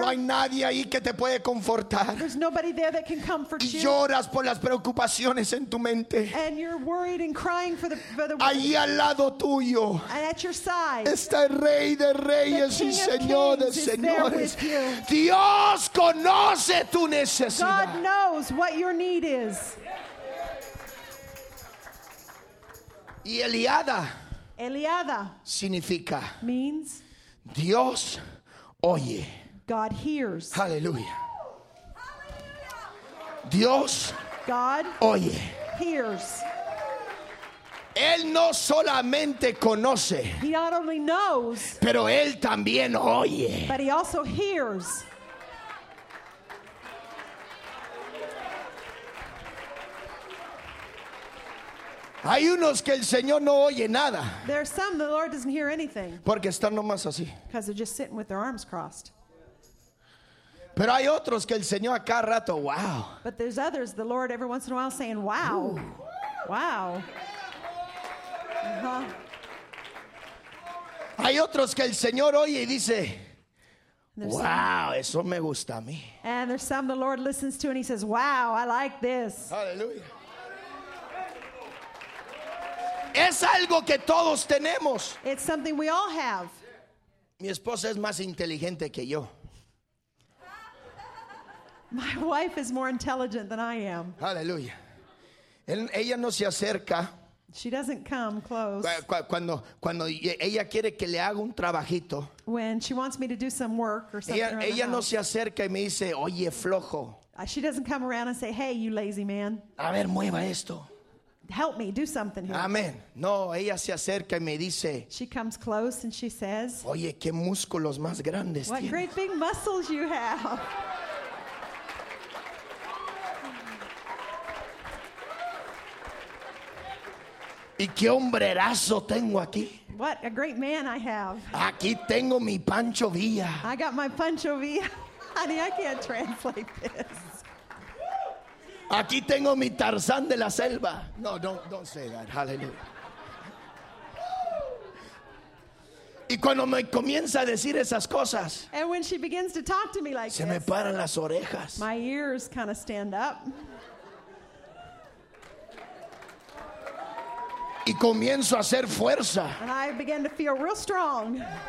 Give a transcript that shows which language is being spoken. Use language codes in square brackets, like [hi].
[es] No hay nadie ahí que te puede confortar. [en] There's nobody there that can comfort you. [es] Y lloras por las preocupaciones en tu mente. [en] And you're worried and crying for the worries. [es] Ahí al lado tuyo. [en] And at your side. [es] Está el Rey de Reyes y Señor de Señores. [en] The King of Kings is there with you. [es] Dios conoce tu necesidad. [en] God knows what your need is. [es] Y Eliada. Eliada. Significa. [en] Means. [es] Dios oye. [en] God hears. Hallelujah. [es] Dios. [en] God. [es] Oye. [en] Hears. [es] Él no solamente conoce. [en] He not only knows. [es] Pero él también oye. [en] But he also hears. [es] Hay unos que el Señor no oye nada. [en] There are some the Lord doesn't hear anything. [es] Porque están nomás así. [en] Because they're just sitting with their arms crossed. [es] Pero hay otros que el Señor a cada rato, wow. [en] But there's others the Lord every once in a while saying, wow. Ooh. Wow. Uh-huh. [es] Hay otros que el Señor oye y dice, wow, eso me gusta a mí. [en] And there's some the Lord listens to and he says, wow, I like this. Hallelujah. [es] Es algo que todos tenemos. [en] It's something we all have. [es] Mi esposa es más inteligente que yo. [en] My wife is more intelligent than I am. [es] Aleluya. Ella no se acerca. [en] She doesn't come close. [es] Cuando ella quiere que le haga un trabajito. [en] When she wants me to do some work or something. [es] Ella no se acerca y me dice, oye, flojo. [en] She doesn't come around and say, hey, you lazy man. [es] A ver, mueva esto. [en] Help me, do something here. [es] Amen. No, ella se acerca y me dice. [en] She comes close and she says. [es] Oye, qué músculos más grandes tienes. [en] What great big muscles you have. [es] Y qué hombrerazo tengo aquí. [en] What a great man I have. [es] Aquí tengo mi Pancho Villa. [en] I got my Pancho Villa. Honey, I can't translate this. [es] Aquí tengo mi Tarzán de la selva. [en] No, don't say that. [es] Hallelujah. Y cuando me comienza a decir esas cosas, [en] and when she begins to talk to me like [es] se me paran las orejas. [en] My ears kind of stand up. [es] Y comienzo a hacer fuerza. [en] And I begin to feel real strong.